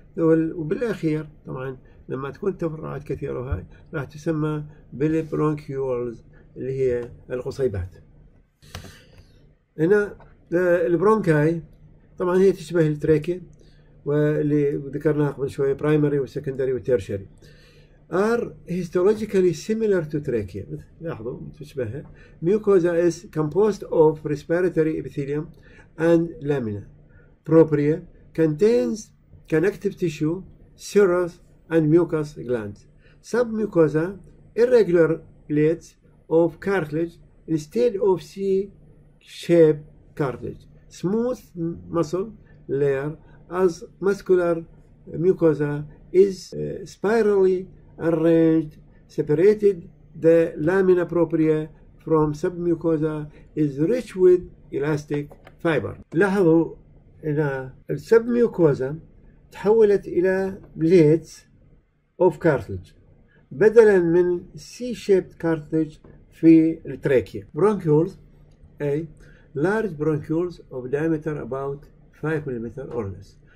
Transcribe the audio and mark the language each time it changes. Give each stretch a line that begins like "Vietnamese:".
Arabic: وبالأخير طبعا لما تكون تفرعات كثيرة وهاي راح تسمى بالبرونكيولز اللي هي القصيبات. هنا البرونكاي طبعا هي تشبه التراكي واللي ذكرناها قبل شوية، برايمري والسكندري والتيرشري.
English: Are histologically similar to trachea.
Arabic: لاحظوا تشبهها.
English: Mucosa is composed of respiratory epithelium and lamina. Propria contains connective tissue, serous and mucous glands. submucosa, irregular plates of cartilage instead of C-shaped cartilage. Smooth muscle layer as muscular mucosa is spirally arranged, separated the lamina propria from submucosa is rich with elastic fiber.
Arabic: لاحظوا ان السبميوكوزا تحولت الى
English: plates of cartilage
Arabic: بدلا من
English: C shaped cartilage
Arabic: في التراكيا.
English: Bronchioles اي large bronchioles of diameter about 5 ملم or less.